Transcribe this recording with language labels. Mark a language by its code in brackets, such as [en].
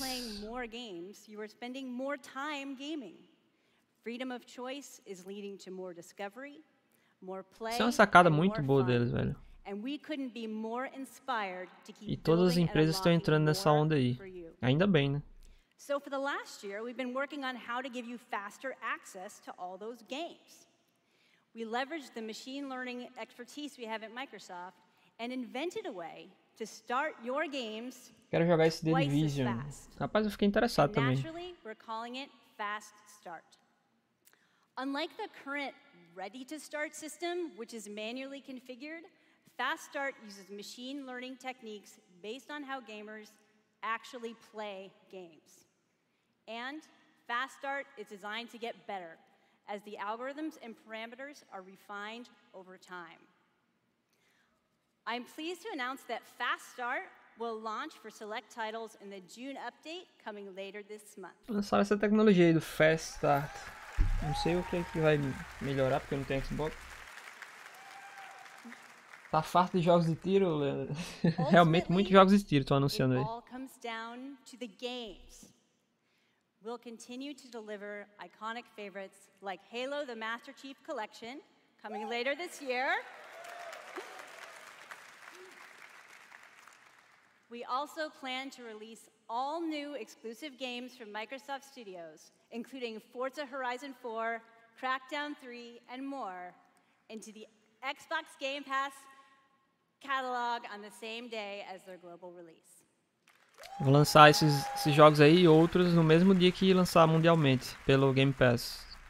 [en] Not only are you playing more games, you are spending more time gaming. Freedom of choice is leading to more discovery, more play. [pt] Isso é uma sacada muito boa [en] fun. [pt] Deles, velho. [en] And we couldn't be more inspired to keep. [pt] E todas as empresas estão entrando nessa onda aí. Ainda bem, né? [en] So for the last year, we've been working on how to give you faster access to all those games. We leveraged the machine learning expertise we have at Microsoft. And invented a way to start your games. [pt] Quero jogar esse The Division. Rapaz, eu fiquei interessado também. [en] Naturally, we're calling it Fast Start. Unlike the current ready-to-start system, which is manually configured, Fast Start uses machine learning techniques based on how gamers actually play games. And Fast Start is designed to get better as the algorithms and parameters are refined over time. I'm pleased to announce that Fast Start will launch for select titles in the June update coming later this month. [pt] Lançaram essa tecnologia aí do Fast Start. Não sei o que é que vai melhorar porque eu não tenho Xbox. Tá farto de jogos de tiro, Leandro? Realmente muitos jogos de tiro estão anunciando aí. [en] It all comes down to the games. We'll continue to deliver iconic favorites like Halo the Master Chief Collection coming later this year. We also plan to release all new exclusive games from Microsoft Studios, including Forza Horizon 4, Crackdown 3, and more, into the Xbox Game Pass catalog on the same day as their global release. [pt] Vou lançar esses jogos aí e outros no mesmo dia que lançar mundialmente pelo Game Pass.